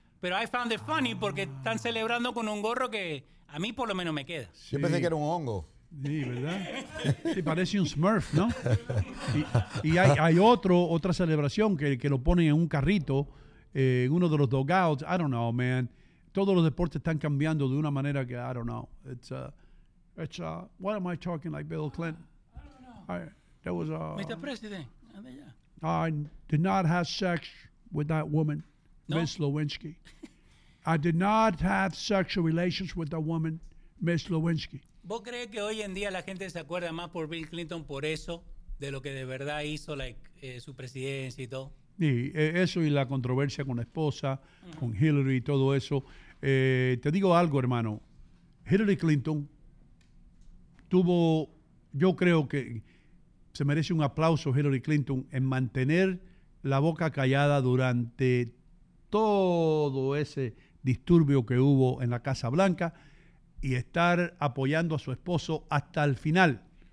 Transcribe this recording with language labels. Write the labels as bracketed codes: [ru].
[es] Pero [en] I found it funny [es] porque están celebrando con un gorro que a mí por lo menos me queda. Sí. Yo pensé que era un hongo. Sí, ¿verdad? Sí, parece un Smurf, ¿no? Y hay otra celebración que lo ponen en un carrito, en uno de los dugouts. [en] I don't know, man. [es] Todos los deportes están cambiando de una manera que, I don't know. [en] It's what am I talking like Bill Clinton? Mr. President. I did not have sex with that woman, no? Miss Lewinsky. I did not have sexual relations with that woman, Miss Lewinsky. [es] ¿Vos crees que hoy en día la gente se acuerda más por Bill Clinton por eso, de lo que de verdad hizo, su presidencia y todo? Sí, eso y la controversia con la esposa, con Hillary y todo eso. Te digo algo, hermano. Hillary Clinton tuvo, yo creo que se merece un aplauso Hillary Clinton en mantener la boca callada durante todo ese disturbio que hubo en la Casa Blanca y estar apoyando a su esposo hasta el final.